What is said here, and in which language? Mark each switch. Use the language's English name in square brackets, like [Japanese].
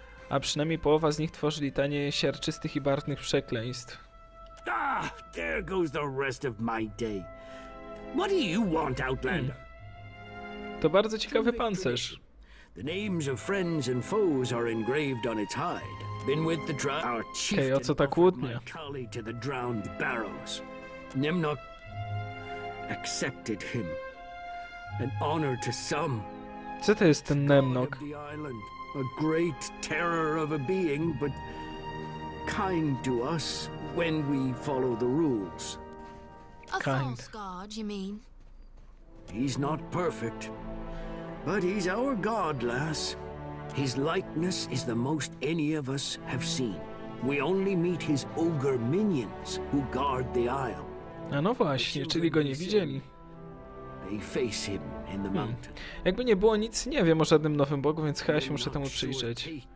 [Polish] A przynajmniej połowa z nich tworzy litanie siarczystych i barwnych przekleństw. [English] Ah, there goes the rest of my day. What do you want, Outlander? [Polish] To bardzo ciekawy pancerz. [English] The names of friends and foes are engraved on its hide. Been with the drow, our chieftain. [Polish] Hey, o co ta kłótnia? [English] Kali to the drowned barrows. Nemnok accepted him. An honor to some. [Polish] Co to jest ten Nemnok? [English] A great terror of a being, but kind to us when we follow the rules. A false god, you mean? He's not perfect. But he's our god, lass. His likeness is the most any of us have seen. We only meet his ogre minions who guard the isle. [Polish] A no właśnie, czyli go nie widzieli. [English] They face him in the mountain. [Polish] Jakby nie było nic, nie wiem o żadnym nowym bogu, więc chyba się muszę temu przyjrzeć.